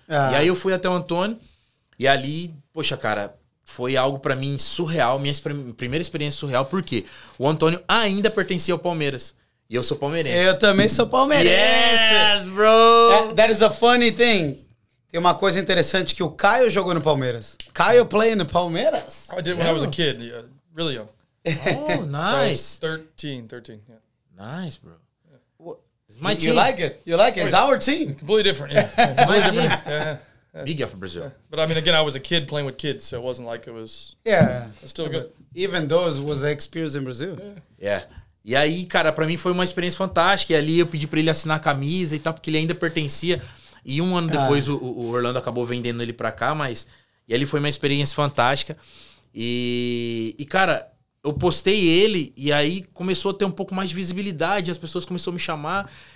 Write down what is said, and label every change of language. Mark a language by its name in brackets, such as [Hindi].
[Portuguese] E aí eu fui até o Antônio e ali, poxa cara, foi algo para mim surreal, minha primeira experiência surreal. Por quê? O Antônio ainda pertencia ao Palmeiras e eu sou palmeirense. Eu também sou palmeirense. [English] Yes, bro! That is a funny thing. [Portuguese] Tem uma coisa interessante que o Caio jogou no Palmeiras. [English] Caio played no Palmeiras? I did when I was a kid, really young. Oh, nice. So 13, yeah. Nice, bro. Yeah. It's my team. You like it? You like it? It's our team. It's completely different, yeah. It's my team. Yeah. Big guy from Brazil. Yeah. But I mean, again, I was a kid playing with kids, so it wasn't like it was... Yeah. It's still good. Even though it was the experience in Brazil. Yeah. [Portuguese] E aí, cara, pra mim foi uma experiência fantástica. E ali eu pedi pra ele assinar a camisa e tal, porque ele ainda pertencia. E um ano depois o Orlando acabou vendendo ele pra cá, mas... E ali foi uma experiência fantástica. E cara... Eu postei ele e aí começou a ter um pouco mais de visibilidade, as pessoas começaram a me chamar.